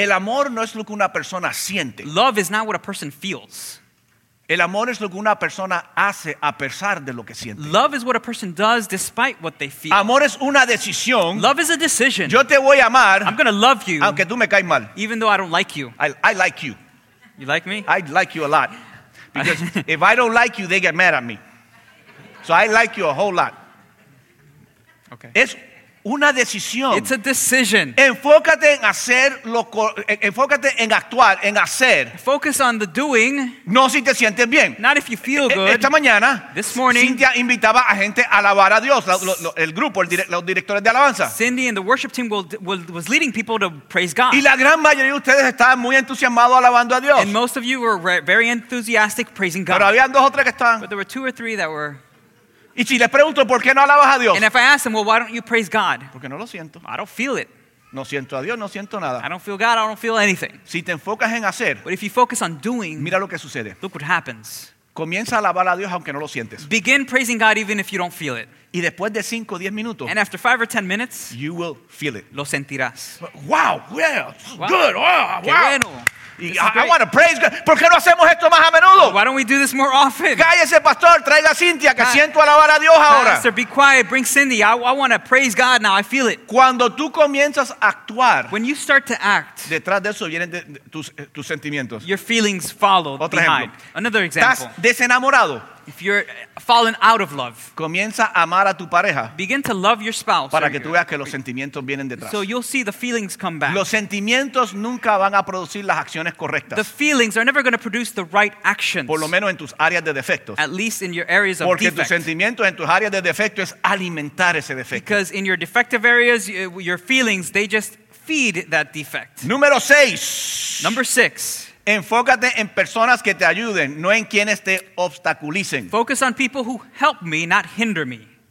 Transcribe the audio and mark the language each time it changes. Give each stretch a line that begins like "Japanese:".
Spanish: El amor no es lo que una persona siente.
English: Love is not what a person feels.
Spanish: El amor es lo que una persona hace a pesar de lo que siente.
English: Love is what a person does despite what they feel.
Spanish: Amor es una decisión.
English: Love is a decision.
Spanish: Yo te voy a amar.
English: I'm going to love you.
Spanish: Aunque tú me caes mal.
English: Even though I don't like you. I like you. You like me? I like you a lot. Because if I don't like you, they get mad at me. So I like you a whole lot. Okay.
Spanish: Es una decisión.
English: It's a decision.
Spanish: Enfócate en hacer lo enfócate en actuar, en hacer.
English: Focus on the doing.
Spanish: No si te sientes bien.
English: Not if you feel good.
Spanish: Esta mañana,
English: this morning,
Spanish: Cynthia invitaba a gente a alabar a Dios, el grupo, los directores de alabanza.
English: Cindy and the worship team was leading people to praise God.
Spanish: Y la gran mayoría de ustedes estaban muy entusiasmados alabando a Dios.
English: And most of you were very enthusiastic praising God.
Spanish: Pero habían dos o tres que estaban.
English: But there were two or three that were.
Spanish: Y si les pregunto por qué no alabas a Dios.
English: And if I ask them, well, why don't you praise God?
Spanish: Porque no lo siento.
English: I don't feel it.
Spanish: No siento a Dios, no siento nada.
English: I don't feel God, I don't feel anything.
Spanish: Si te enfocas en hacer.
English: But if you focus on doing.
Spanish: Mira lo que sucede.
English: Look what happens.
Spanish: Comienza a alabar a Dios aunque no lo sientes.
English: Begin praising God even if you don't feel it.
Spanish: Y después de 5 o 10 minutos.
English: And after 5 or 10 minutes. You will feel it.
Spanish: Lo sentirás.
English: Wow, yeah, wow. Good, wow,
Spanish: qué
English: wow.
Spanish: Bueno.
English: I want to praise God.
Spanish: ¿Por qué no hacemos esto más a menudo?
English: Why don't we do this more often?
Spanish: Cállese, pastor. Traiga a Cynthia, que siento alabar a Dios ahora.
English: Pastor, be quiet. Bring Cindy. I want to praise God now. I feel it.
Spanish: Cuando tú comienzas a actuar,
English: when you start to act,
Spanish: detrás de eso vienen tus sentimientos.
English: Your feelings follow
Spanish: Otro
English: behind.
Spanish: Ejemplo.
English: Another example.
Spanish: ¿Estás desenamorado?
English: If you're fallen out of love,
Spanish: comienza a amar a tu pareja.
English: Begin to love your spouse.
Spanish: Para que tú veas que los sentimientos vienen detrás.
English: So you'll see the feelings come back.
Spanish: Los sentimientos nunca van a producir las acciones correctas.
English: The feelings are never going to produce the right actions.
Spanish: Por lo menos en tus áreas de defectos.
English: At least in your areas of defect.
Spanish: tus sentimientos en tus áreas de defecto es alimentar ese defecto.
English: Because in your defective areas, your feelings, they just feed that defect.
Spanish: Número 6.
English: Number 6.
Spanish: Enfócate en personas que te ayuden, no en quienes te obstaculicen.
English: Focus on people who help me, not hinder me.